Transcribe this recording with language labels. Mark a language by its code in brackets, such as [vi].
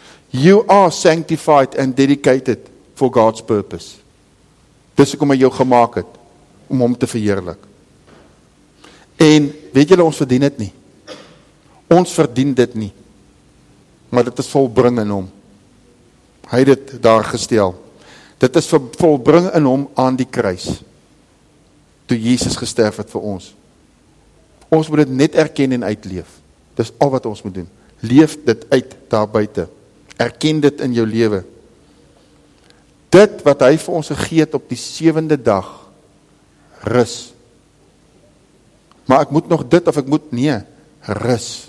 [en] You are sanctified and dedicated for God's purpose. [af] Dis hoekom hy jou gemaak het, om hom te verheerlik. En weet julle, ons verdien dit nie. Ons verdien dit nie. Maar dit is volbring in hom. Hy het dit daar gestel. Dit is volbring in hom aan die kruis. Toe Jesus gesterf het vir ons. Ons moet dit net erken en uitleef. Dis al wat ons moet doen. Leef dit uit daar buite. Erken dit in jou lewe. Dit wat hy vir ons gegee het op die sewende dag, rus. Maar ek moet nog dit of ek moet, nee, rus.